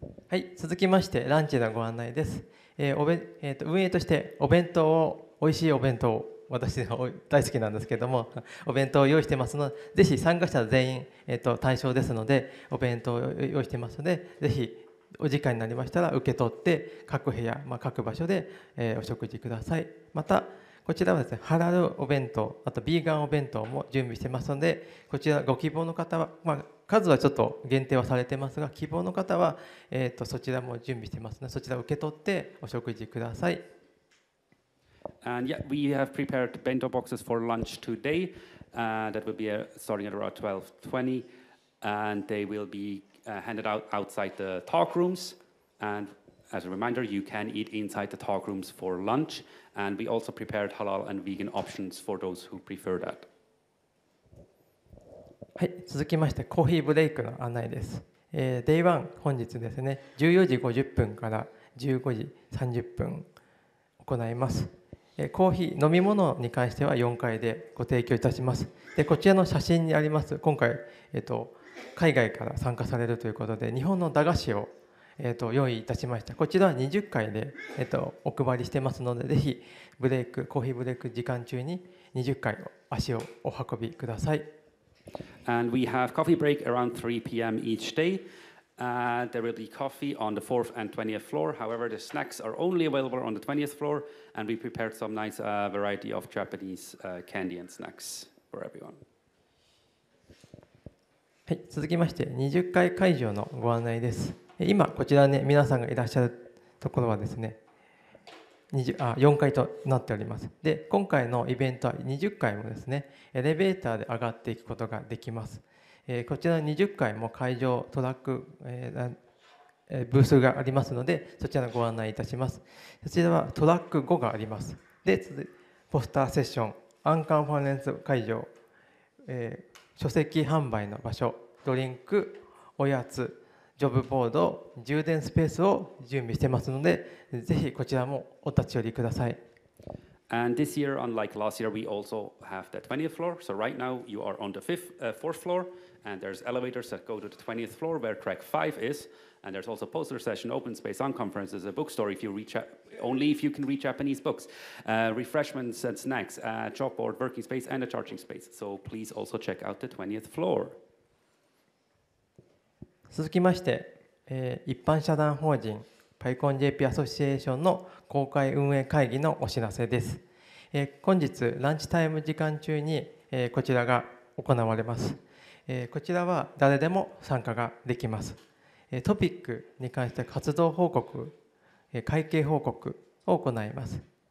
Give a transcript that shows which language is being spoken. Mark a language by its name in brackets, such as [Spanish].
[Japanese] はい、続きましてランチのご案内です。運営としてお弁当を、美味しいお弁当を、私は大好きなんですけれども、お弁当を用意していますので、ぜひ参加者全員、対象ですので、お弁当を用意していますので、ぜひお時間になりましたら受け取って、各部屋、まあ、各場所で、お食事ください。また、こちらはですね、ハラルお弁当、あとビーガンお弁当も準備していますので、こちらご希望の方は、まあ数はちょっと限定はされてますが、希望の方は、そちらも準備してますので、そちらを受け取ってお食事ください。 [English] And yeah, we have prepared bento boxes for lunch today. That will be starting at around 12:20, and they will be handed out outside the talk rooms. And as a reminder, you can eat inside the talk rooms for lunch. And we also prepared halal and vegan options for those who prefer that. [Japanese] はい、続きましてコーヒーブレイクの案内です。Day1 本日ですね、14時50分から15時30分行います。コーヒー飲み物に関しては4回でご提供いたします。でこちらの写真にあります、今回、海外から参加されるということで、日本の駄菓子を、用意いたしました。こちらは20回で、お配りしてますので、ぜひブレイク、コーヒーブレイク時間中に20回足をお運びください。 [English] And we have coffee break around 3 p.m. each day. There will be coffee on the 4th and 20th floor. However, the snacks are only available on the 20th floor, and we prepared some nice variety of Japanese candy and snacks for everyone. [Japanese] はい、続きまして20階会場のご案内です。今こちらね、皆さんがいらっしゃるところはですね、4階となっております。で今回のイベントは20階もですね、エレベーターで上がっていくことができます。こちら20階も会場トラック、ブースがありますので、そちらのご案内いたします。そちらはトラック5があります。で続いてポスターセッション、アンカンファレンス会場、書籍販売の場所、ドリンク、おやつ、ジョブボード、充電スペースを準備してますので、ぜひこちらもお立ち寄りください。 [English] And this year, unlike last year, we also have the 20th floor. So right now, you are on the fourth floor, and there's elevators that go to the 20th floor where track 5 is. And there's also poster session, open space, on conferences, a bookstore. If you reach only if you can read Japanese books, refreshments and snacks, chalkboard, working space, and a charging space. So please also check out the 20th floor. [Japanese] 続きまして、一般社団法人 PyConJP アソシエーションの公開運営会議のお知らせです。本日ランチタイム時間中に、こちらが行われます。こちらは誰でも参加ができます。トピックに関しては活動報告、会計報告を行います。